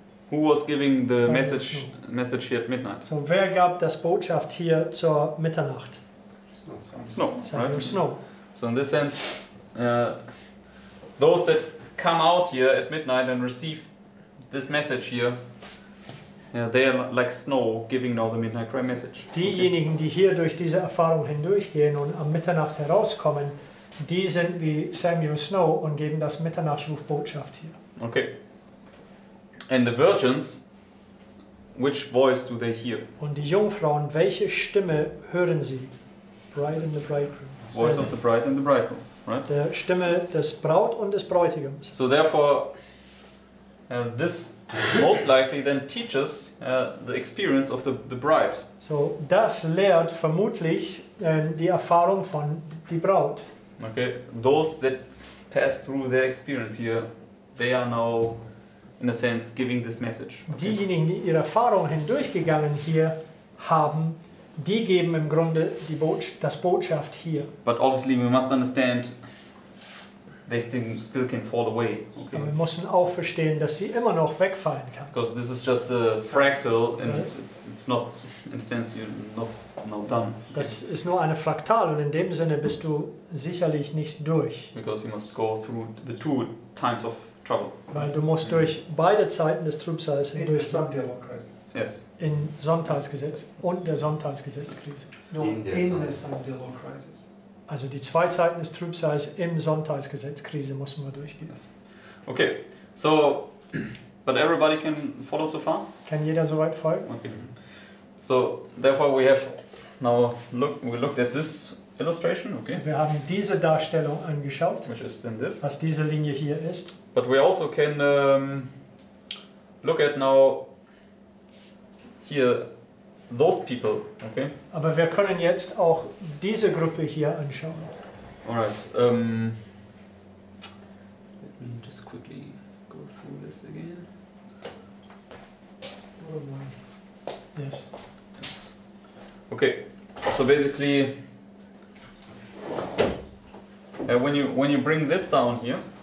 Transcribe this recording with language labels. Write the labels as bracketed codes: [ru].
[en] Who was giving the message here at midnight? [de] So, wer gab das Botschaft hier zur Mitternacht? [en] Snow, right? So in this sense, those that come out here at midnight and receive this message here, they are like snow giving now the midnight cry message. [de] Diejenigen, die hier durch diese Erfahrung hindurchgehen und am Mitternacht herauskommen, die sind wie Samuel Snow und geben das Mitternachtsrufbotschaft hier. [en] Okay. And the virgins, which voice do they hear? [de] Und die Jungfrauen, welche Stimme hören sie? [en] Bride and the bridegroom. Voice of the bride and the bridegroom, right? [de] Der Stimme des Braut und des Bräutigams. [en] So therefore, this most likely then teaches the experience of the bride. [de] So das lehrt vermutlich die Erfahrung von die Braut. [en] Okay, those that pass through their experience here, they are now, in a sense, giving this message. Okay. [de] Diejenigen, die ihre Erfahrung hindurchgegangen hier haben, die geben im Grunde das Botschaft hier. [en] But obviously we must understand they still can fall away. Okay. [de] Wir müssen auch verstehen, dass sie immer noch wegfallen kann. [en] Because this is just a fractal and it's not, in a sense, you're not done. [de] Das ist nur eine Fraktal und in dem Sinne bist du sicherlich nicht durch. [en] Because you must go through the two times of trouble. [de] Weil du musst durch beide Zeiten des Trübsals hindurch. [en] In the Sonntagskrisis. Yes. [de] In Sonntagsgesetz und der Sonntagsgesetzkrise. [en] No, in the Sonntagskrisis. [de] Also die zwei Zeiten des Trübsals im Sonntagsgesetzkrise müssen wir durchgehen. [en] Yes. Okay, so, but everybody can follow so far? [de] Kann jeder so weit folgen? [en] Okay. So, therefore we have now looked at this illustration, okay? [de] So wir haben diese Darstellung angeschaut, [en] which is then this. [de] Was diese Linie hier ist. [en] But we also can look at now here those people, okay? [de] Aber wir können jetzt auch diese Gruppe hier anschauen. [en] Alright, let me just quickly go through this again. Yes. Okay, so basically, when you bring this down here.